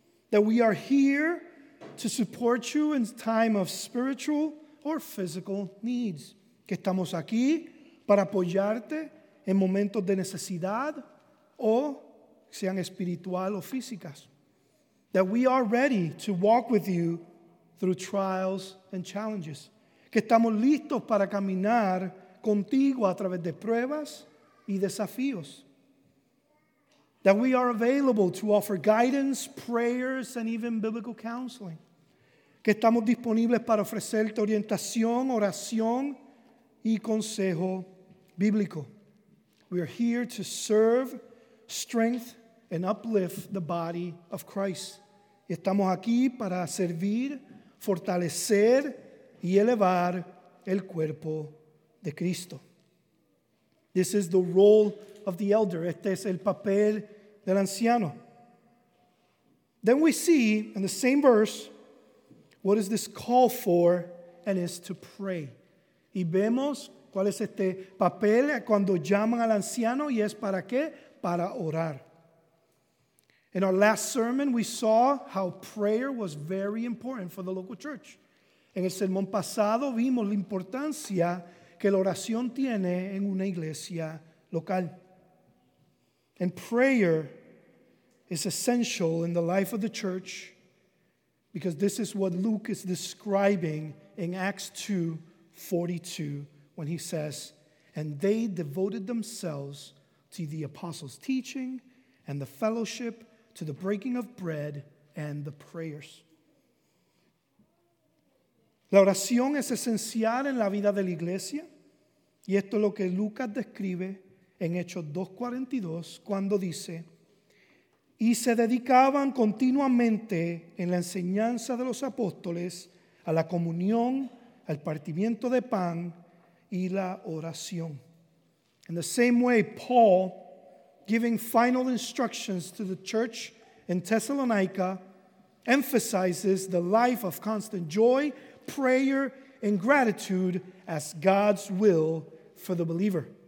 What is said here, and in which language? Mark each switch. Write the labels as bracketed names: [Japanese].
[English] That we are here to support you in time of spiritual or physical needs. [Spanish] Que estamos aquí para apoyarte en momentos de necesidad o sean espiritual o físicas. [English] That we are ready to walk with you through trials and challenges. [Spanish] Que estamos listos para caminar contigo a través de pruebas y desafíos. [English] That we are available to offer guidance, prayers, and even biblical counseling. [Spanish] Que estamos disponibles para ofrecerte orientación, oración y consejo bíblico. [English] We are here to serve, strength, and uplift the body of Christ. [Spanish] Estamos aquí para servir, fortalecer y elevar el cuerpo de Cristo. [English] This is the role of the elder. [Spanish] Este es el papel del anciano. [English] Then we see in the same verse, what is this call for, and is to pray. [Spanish] Y vemos cuál es este papel cuando llaman al anciano, y es para qué, para orar. [English] In our last sermon, we saw how prayer was very important for the local church. [Spanish] En el sermón pasado vimos la importancia que la oración tiene en una iglesia local. [English] And prayer is essential in the life of the church because this is what Luke is describing in Acts 2:42 when he says, and they devoted themselves to the apostles' teaching and the fellowship, to the breaking of bread and the prayers. [Spanish] La oración es esencial en la vida de la iglesia, y esto es lo que Lucas describe en Hechos 2:42, cuando dice, y se dedicaban continuamente en la enseñanza de los apóstoles, a la comunión, al partimiento de pan y la oración. [English] In the same way, Paul, giving final instructions to the church in Thessalonica, emphasizes the life of constant joy, prayer, and gratitude as God's will for the believer.